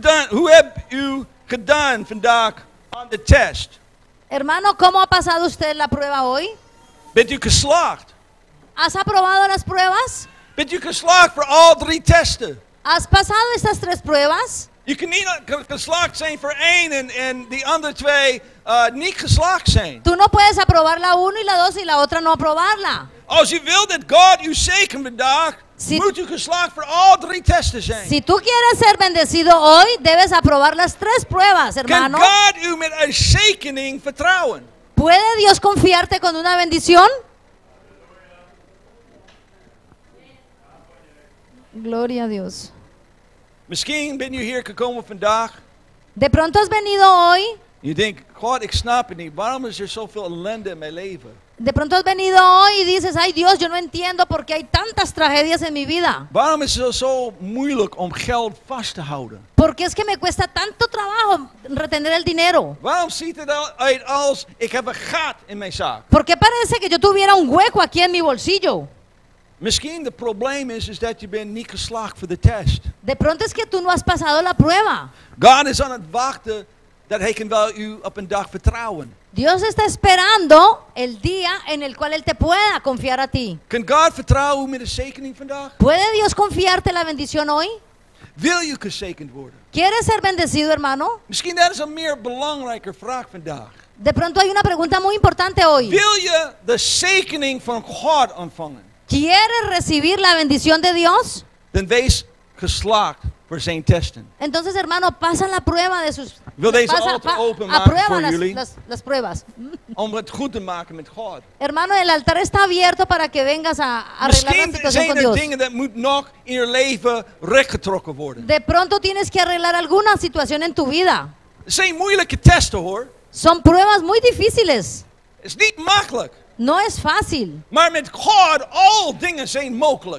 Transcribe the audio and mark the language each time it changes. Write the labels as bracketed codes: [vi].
[nl] Hoe heb u gedaan vandaag aan de test? [es] Hermano, ¿cómo ha pasado usted la prueba hoy? [nl] Bent u geslaagd? [es] ¿Has aprobado las pruebas? [nl] Bent u geslaagd voor al drie testen? [es] ¿Has pasado estas tres pruebas? [nl] Je kunt niet geslaagd zijn voor één en die andere twee niet geslaagd zijn. [es] Tú no puedes aprobar la uno y la dos y la otra no aprobarla. [nl] Als je wilt dat God u zegent vandaag, moet u geslaagd voor al drie testen zijn. [es] Si tú quieres ser bendecido hoy, debes aprobar las tres pruebas, hermano. [nl] Kan God u met een zegening vertrouwen? [es] ¿Puede Dios confiarte con una bendición? Gloria a Dios. [nl] Misschien ben je hier gekomen vandaag. [es] De pronto has venido hoy. [nl] Je denkt, God, ik snap het niet. Waarom is er zoveel ellende in mijn leven? [es] De pronto has venido hoy y dices, ay Dios, yo no entiendo por qué hay tantas tragedias en mi vida. [nl] Waarom is het zo moeilijk om geld vast te houden? [es] Porque es que me cuesta tanto trabajo retener el dinero. [nl] Waarom ziet het eruit als ik heb een gat in mijn zak? [es] Porque parece que yo tuviera un hueco aquí en mi bolsillo. [nl] Misschien het probleem is dat je bent niet geslaagd voor de test. [es] De pronto es que tú no has pasado la prueba. [nl] God is aan het wachten dat hij kan wel u op een dag vertrouwen. [es] Dios está esperando el día en el cual él te pueda confiar a ti. [nl] Kan God vertrouwen met de zegening vandaag? [es] ¿Puede Dios confiarte la bendición hoy? [nl] Wil je gezegend worden? [es] ¿Quieres ser bendecido, hermano? [nl] Misschien dat is een meer belangrijke vraag vandaag. [es] De pronto hay una pregunta muy importante hoy. [nl] Wil je de zegening van God ontvangen? [es] ¿Quieres recibir la bendición de Dios? [nl] Then wees geslaagd voor zijn testen. [es] Entonces, hermano, pasa la prueba de sus. [nl] Wil deze altar openmaken voor jullie? [es] Las pruebas. [nl] Om het goed te maken met God. [es] Hermano, el altar está abierto para que vengas a arreglar la situación con Dios. [nl] Misschien zijn er dingen die moet nog in je leven rechtgetrokken worden. [es] De pronto tienes que arreglar alguna situación en tu vida. [nl] Zijn moeilijke testen, hoor. [es] Son pruebas muy difíciles. [nl] Is niet makkelijk. [es] No es fácil. [nl] Maar met God all dingen zijn mogelijk.